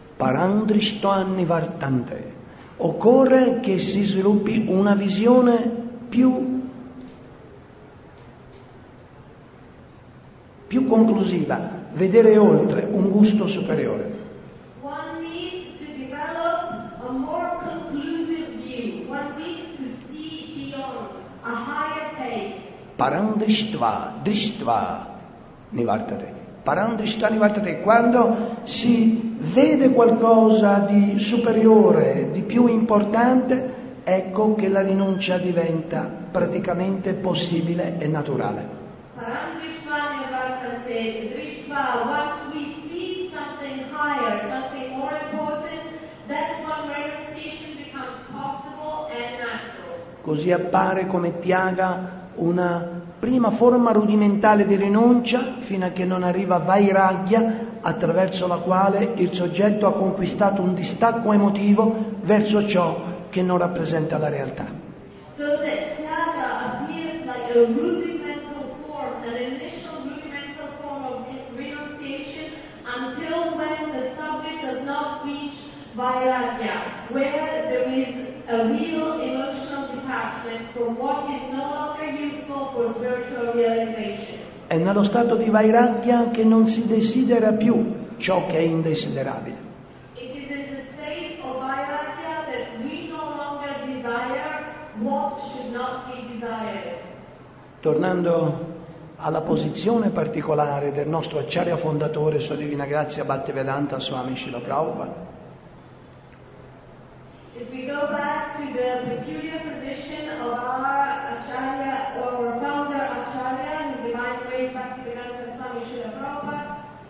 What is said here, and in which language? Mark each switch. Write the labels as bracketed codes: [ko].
[sa] Parandrishtoanni vartante. [it] Occorre che si sviluppi una visione più conclusiva, vedere oltre, un gusto superiore. [en] One needs to develop a more conclusive view. One needs to see beyond, a higher taste. [sa] Parandrishtva, drishtva, nivartate. Parandrishtani vartate, [it] quando si vede qualcosa di superiore, di più importante, ecco che la rinuncia diventa praticamente possibile e naturale. [sa] Parandrishtani vartate, drishtva, [en] once we see something higher, something more important, that's when renunciation becomes possible and natural. [it] Così appare come tyaga una prima forma rudimentale di rinuncia fino a che non arriva vairagya, attraverso la quale il soggetto ha conquistato un distacco emotivo verso ciò che non rappresenta la realtà. [en] So the tyaga appears like a rudimental form, an initial rudimental form of renunciation until when the subject does not reach vairagya, where there is a real emotional detachment from what is no longer useful for spiritual realization. [it] È nello stato di vairagya che non si desidera più ciò che è indesiderabile. [en] It is in the state of vairagya that we no longer desire what should not be desired. [it] Tornando alla posizione particolare del nostro Acharya fondatore, Sua Divina Grazia Bhaktivedanta Swami Srila Prabhupada, [en] if we go back to the peculiar position of our Acharya, or our founder Acharya, the divine grace Bhaktivedanta Swami Srila Prabhupada.